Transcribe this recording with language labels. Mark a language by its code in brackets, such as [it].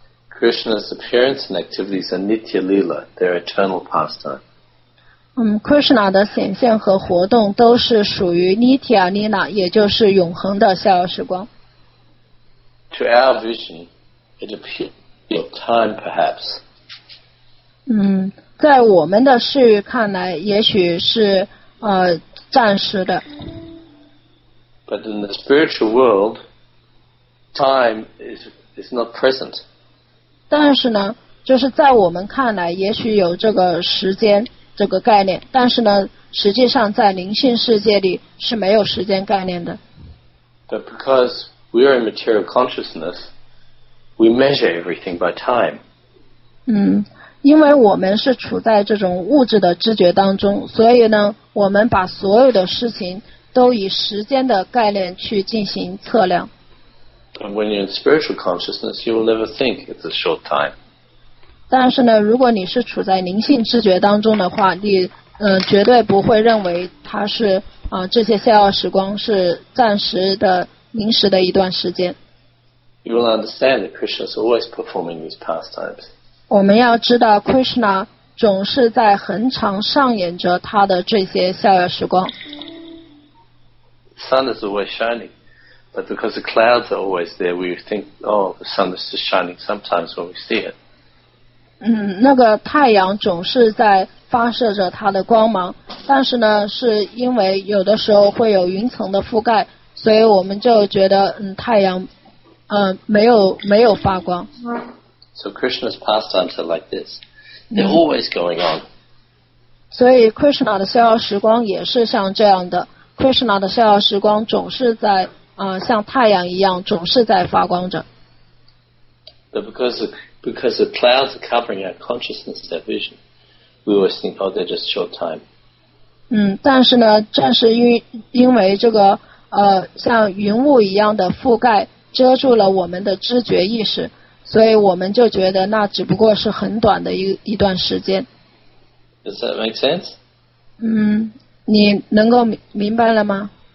[en] Krishna's appearance and activities are nitya lila, their eternal pastime. [zh] Krishna 的显现和活动都是属于 nitya lila， 也就是永恒的逍遥时光。 [en] To our vision, it appears of time, perhaps. [zh] 在我们的视域看来，也许是暂时的。 [en] But in the spiritual world, time is not present. [zh] 但是呢，就是在我们看来，也许有这个时间这个概念，但是呢，实际上在灵性世界里是没有时间概念的。 [en] But because we are in material consciousness, we measure everything by time. [zh] 因为我们是处在这种物质的知觉当中，所以呢，我们把所有的事情都以时间的概念去进行测量。 [en] And when you're in spiritual consciousness, you will never think it's a short time. [zh] 但是呢，如果你是处在灵性知觉当中的话，你绝对不会认为它是这些逍遥时光是暂时的、临时的一段时间。 [en] You will understand that Krishna is always performing these pastimes. [zh] 我们要知道 Krishna 总是在恒常上演着他的这些逍遥时光。 [en] Sun is always shining, but because the clouds are always there, we think, oh, the sun is just shining sometimes when we see it. [zh] 那个太阳总是在发射着它的光芒，但是呢，是因为有的时候会有云层的覆盖，所以我们就觉得太阳没有发光。 [en] So Krishna's pastimes are like this. They're always going on. [zh] 所以 Krishna 的逍遥时光也是像这样的。Krishna 的逍遥时光总是在像太阳一样总是在发光着。 [en] But because the clouds are covering our consciousness, our vision, we always think, oh, they're just short time. [zh] 但是呢，正是因为这个像云雾一样的覆盖遮住了我们的知觉意识。所以我们就觉得那只不过是很短的一段时间。 [en] Does that make sense? [zh] 你能够明白了吗？